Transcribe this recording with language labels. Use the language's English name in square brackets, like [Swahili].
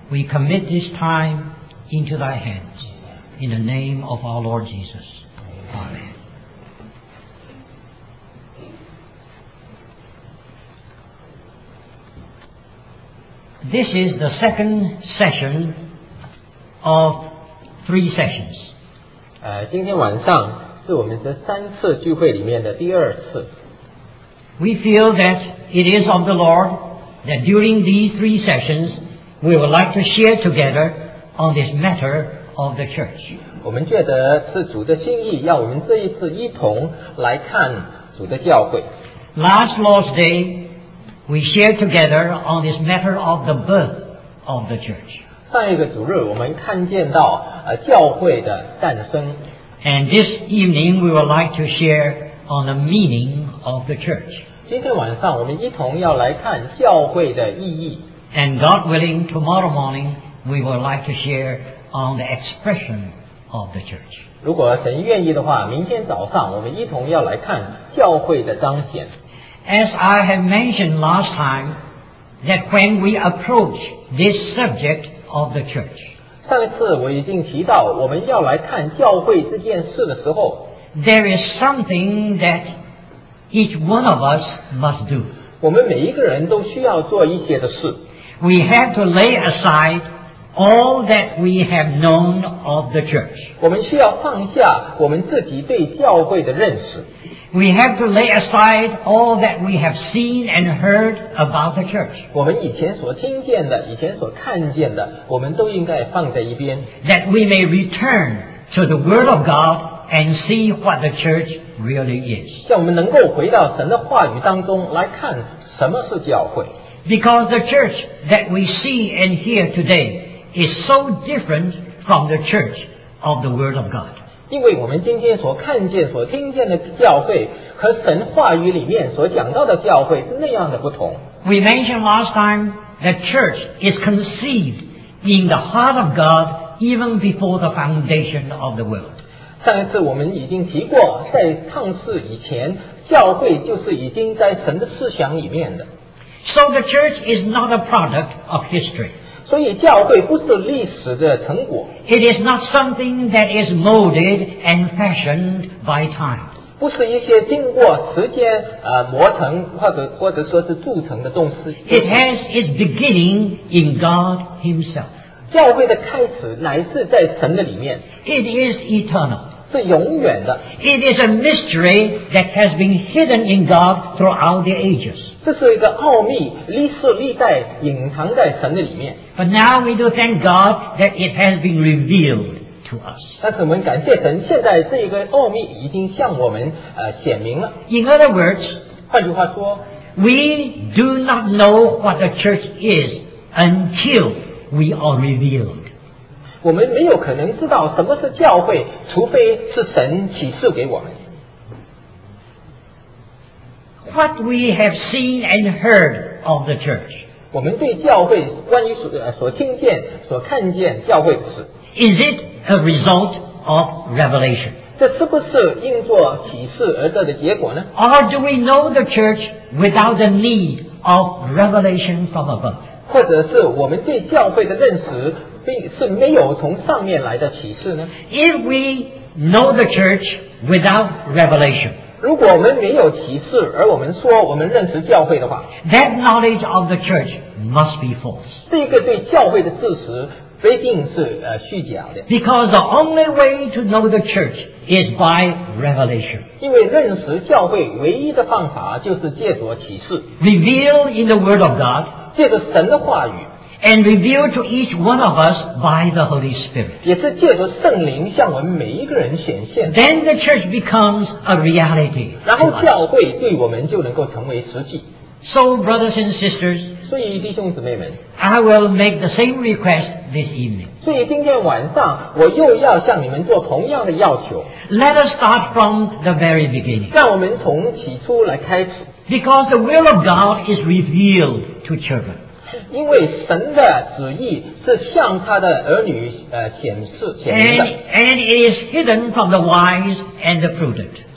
[English] We commit this time into thy hands. In the name of our Lord Jesus. Amen. This is the second session of three sessions. [Chinese] 今天晚上是我们这三次聚会里面的第二次。 [English] We feel that it is of the Lord that during these three sessions,We would like to share together on this matter of the church. [Chinese] 我们觉得是主的心意，要我们这一次一同来看主的教会。 [English] Last Lord's Day, we shared together on this matter of the birth of the church. [Chinese] 上一个主日，我们看见到教会的诞生。 [English] And this evening, we would like to share on the meaning of the church. [Chinese] 今天晚上，我们一同要来看教会的意义。 [English] And God willing, tomorrow morning, we would like to share on the expression of the church. [Chinese] 如果神愿意的话，明天早上我们一同要来看教会的彰显。 [English] As I have mentioned last time, that when we approach this subject of the church, [Chinese] 上次我已经提到，我们要来看教会这件事的时候， [English] there is something that each one of us must do. [Chinese] 我们每一个人都需要做一些的事。 [English] We have to lay aside all that we have known of the church. [Chinese] 我们需要放下我们自己对教会的认识。 [English] We have to lay aside all that we have seen and heard about the church. [Chinese] 我们以前所听见的，以前所看见的，我们都应该放在一边。 [English] That we may return to the word of God and see what the church really is. [Chinese] 叫我们能够回到神的话语当中来看什么是教会。 [English] Because the church that we see and hear today is so different from the church of the Word of God. [Chinese] 因为我们今天所看见、所听见的教会和神话语里面所讲到的教会是那样的不同。 [English] We mentioned last time that church is conceived in the heart of God even before the foundation of the world. [Chinese] 上一次我们已经提过，在创世以前，教会就是已经在神的思想里面的。 [English] So the church is not a product of history. [Chinese] 所以教会不是历史的成果。 [English] It is not something that is molded and fashioned by time. [Chinese] 不是一些经过时间磨成或者说是铸成的东西。 [English] It has its beginning in God Himself. [Chinese] 教会的开始乃是在神的里面。 [English] It is eternal. [Chinese] 是永远的。 [English] It is a mystery that has been hidden in God throughout the ages. [Chinese] 这是一个奥秘，历世历代隐藏在神的里面。 [English] But now we do thank God that it has been revealed to us. [Chinese] 但是我们感谢神，现在这一个奥秘已经向我们显明了。 [English] In other words, [Chinese] 换句话说， [English] we do not know what the church is until we are revealed. [Chinese] 我们没有可能知道什么是教会，除非是神启示给我们。 [English] What we have seen and heard of the church. [Chinese] 我们对教会关于 所听见所看见教会的事。 [English] Is it a result of revelation? [Chinese] 这是不是应作启示而得的结果呢？ [English] Or do we know the church without the need of revelation from above? [Chinese] 或者是我们对教会的认识是没有从上面来的启示呢？ [English] If we know the church without revelation, [Chinese] 如果我们没有启示，而我们说我们认识教会的话， [English] That knowledge of the church must be false. [Chinese] 这个对教会的知识非定是虚假的。 [English] Because the only way to know the church is by revelation. [Chinese] 因为认识教会唯一的方法就是借着启示。 [English] Revealed in the word of God. [Chinese] 借着神的话语。 [English] And revealed to each one of us by the Holy Spirit. [Chinese] 也是借着圣灵向我们每一个人显现。 [English] Then the church becomes a reality. [Chinese] 然后教会对我们就能够成为实际。 [English] So brothers and sisters, [Chinese] 所以弟兄姊妹们, [English] I will make the same request this evening. [Chinese] 所以今天晚上我又要向你们做同样的要求。 [English] Let us start from the very beginning. [Chinese] 让我们从起初来开始。 [English] Because the will of God is revealed to children. [Chinese] 因为神的旨意是向他的儿女显示显明的。 [English] And it is hidden from the wise and the prudent.